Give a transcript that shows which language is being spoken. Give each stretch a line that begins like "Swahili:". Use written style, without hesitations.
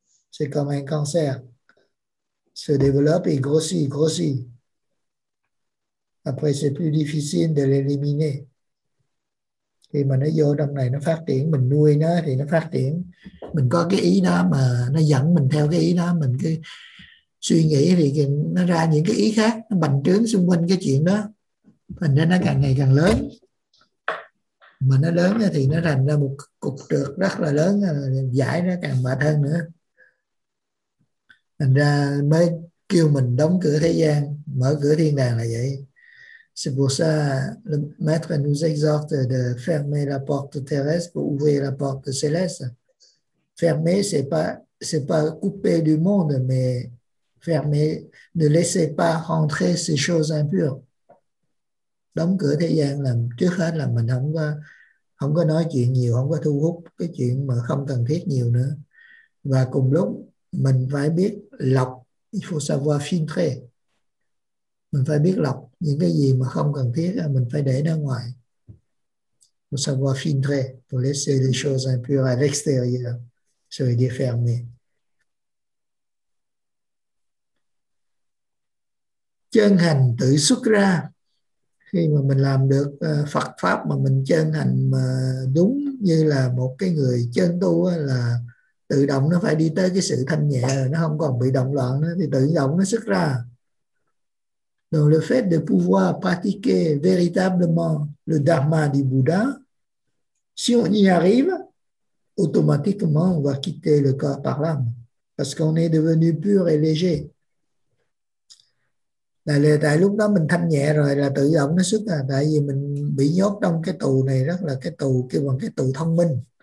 French: C'est comme un cancer, se développe et grossit. Après, c'est plus difficile de l'éliminer.
Vietnamese: Khi mà nó vô trong này, nó phát triển, mình nuôi nó thì nó phát triển. Mình có cái ý đó mà nó dẫn mình theo cái ý đó, mình cứ suy nghĩ thì nó ra những cái ý khác, nó bành trướng xung quanh cái chuyện đó. Thành ra nó càng ngày càng lớn. Mà nó lớn thì nó thành ra một cục trượt rất là lớn, giải nó càng mệt hơn nữa. Thành ra mới kêu mình đóng cửa thế gian, mở cửa thiên đàng là vậy.
French: C'est pour ça que le maître nous exhorte de fermer la porte terrestre pour ouvrir la porte céleste. Fermer, c'est pas couper du monde, mais fermer, ne laissez pas rentrer ces choses impures.
Vietnamese: Đóng cửa thế gian là trước hết là mình không có nói chuyện nhiều, không có thu hút cái chuyện mà không cần thiết nhiều nữa. Và cùng lúc mình phải biết lọc,
French: il faut savoir filtrer.
Vietnamese: Mình phải biết lọc những cái gì mà không cần thiết, mình phải để ra ngoài.
French: Pour savoir filtrer, pour laisser les choses impures à l'extérieur, ça veut dire fermer.
Vietnamese: Chân hành tự xuất ra. Khi mà mình làm được Phật Pháp mà mình chân hành mà đúng như là một cái người chân tu là tự động nó phải đi tới cái sự thanh nhẹ, nó không còn bị động loạn nữa, thì tự động nó xuất ra.
French: Donc le fait de pouvoir pratiquer véritablement le dharma du Bouddha, si on y arrive, automatiquement on va quitter le corps par l'âme, parce qu'on est devenu pur et léger.
Vietnamese: Tại lúc đó mình thanh nhẹ rồi là tự động nó xuất ra, tại vì mình bị nhốt trong cái tù này, rất là cái tù kêu bằng cái tù thông minh.